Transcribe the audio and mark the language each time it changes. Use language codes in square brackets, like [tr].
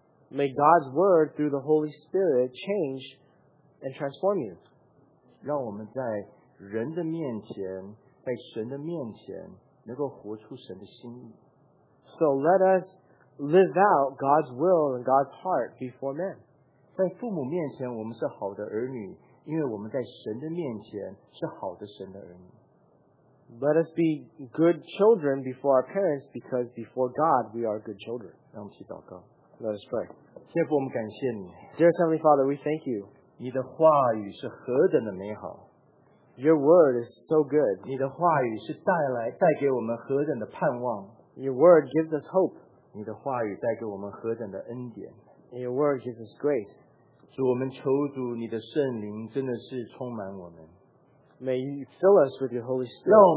[en] May God's word through the Holy Spirit change and transform you. [zh] 让我们在人的面前，在神的面前，能够活出神的心意。 [en] So let us live out God's will and God's heart before men. [zh] 在父母面前，我们是好的儿女，因为我们在神的面前是好的神的儿女。 [en] Let us be good children before our parents, because before God, we are good children. Let us pray. [zh] 天父，我们感谢你。 [en] Dear Heavenly Father, we thank you. [zh] 你的话语是何等的美好。 [en] Your word is so good. [zh] 你的话语是带给我们何等的盼望。 [en] Your word gives us hope. [zh] 你的话语带给我们何等的恩典。 [en] Your word gives us grace. [zh] 主，我们求主你的圣灵真的是充满我们。 [en] May you fill us with your Holy Spirit.